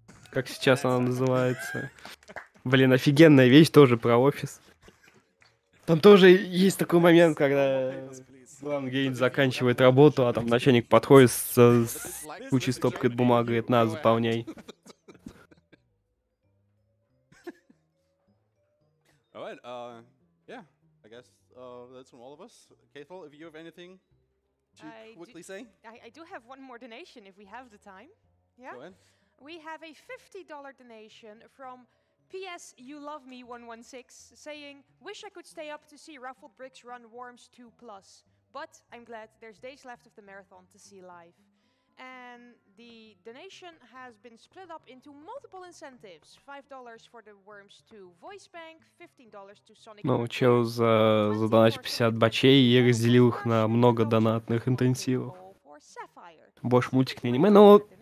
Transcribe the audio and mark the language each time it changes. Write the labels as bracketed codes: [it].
[ru] Как сейчас она называется? Блин, офигенная вещь тоже про офис. Там тоже есть такой момент, когда главный гений заканчивает работу, а там начальник подходит с кучей стопкой бумаги, говорит, на, заполняй. [en] Alright, yeah, I guess that's from all of us. Cathal, if you have anything to quickly say? I do have one more donation, if we have the time. Yeah? Go ahead. We have a $50 donation from P.S. You Love Me 116, saying, wish I could stay up to see Ruffled Bricks run Worms 2+. But I'm glad there's days left of the marathon to see live. And the donation has been split up into multiple incentives. $5 for the Worms 2 voice bank, $15 to Sonic... [ru] Ну, чел за донатить 50 бачей, я разделил их на много донатных интенсивов. Больше мультик не аниме, но...